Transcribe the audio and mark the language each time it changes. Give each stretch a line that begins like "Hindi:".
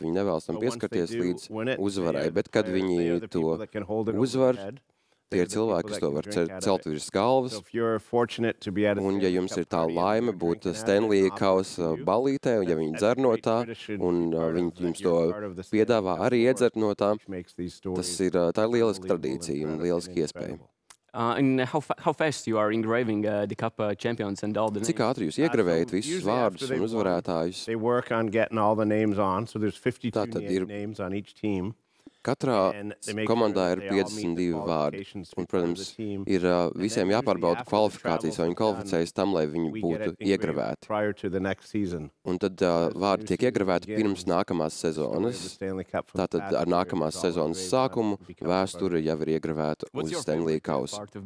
Latvian: Viņi nevēlas tam pieskarties līdz uzvarai. Bet, kad viņi to uzvar, tie ir cilvēki, kas to var celt virs galvas. Un, ja jums ir tā laime būt Stenlija kausa balītē, ja viņi dzer no tā, un viņi jums to piedāvā arī iedzert no tā, tā ir lieliska tradīcija un lieliska iespēja.
English: And how fast you are engraving the cup champions and all the names?
Latvian: Cik ātri jūs iegravējat visus vārdus un uzvarētājus?
English: They work on getting all the names on, so there's 52 names on each team.
Latvian: Katrā komandā ir 52 vārdi, un, protams, ir visiem jāpārbauda kvalifikācijas, vai viņi kvalificējas tam, lai viņi būtu iegravēti. Un tad vārdi tiek iegravēti pirms nākamās sezonas. Tātad ar nākamās sezonas sākumu vēsture jau ir iegravēta uz Stenlija kausa.